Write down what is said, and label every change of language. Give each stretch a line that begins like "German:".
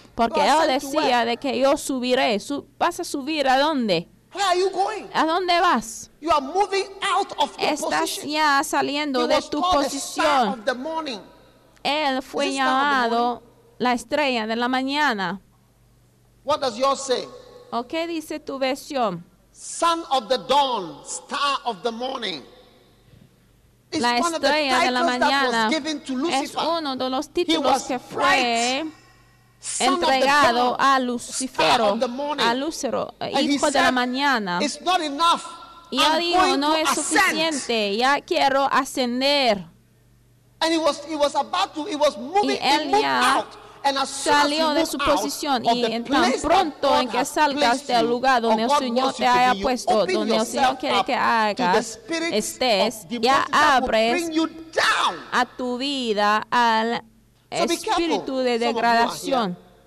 Spanish: Porque él decía de que yo subiré. ¿Vas a subir a dónde? ¿A dónde vas? Estás ya saliendo de tu posición. Él fue llamado la estrella de la mañana.
English: What does yours say?
Spanish: ¿O qué dice tu versión?
English: Son of the dawn, star of the morning.
Spanish: La estrella de la mañana es uno de los títulos que fue entregado a Lucifer, a Lucero, hijo de la mañana.
English: It's not enough.
Spanish: Y él dijo, no es suficiente, ya quiero ascender.
English: And he was about to, he was moving,
Spanish: y él ya salió de su posición. Y tan pronto en que salgas del lugar donde el Señor te haya puesto, donde el Señor quiere que hagas, estés, ya abres a tu vida al espíritu de degradación.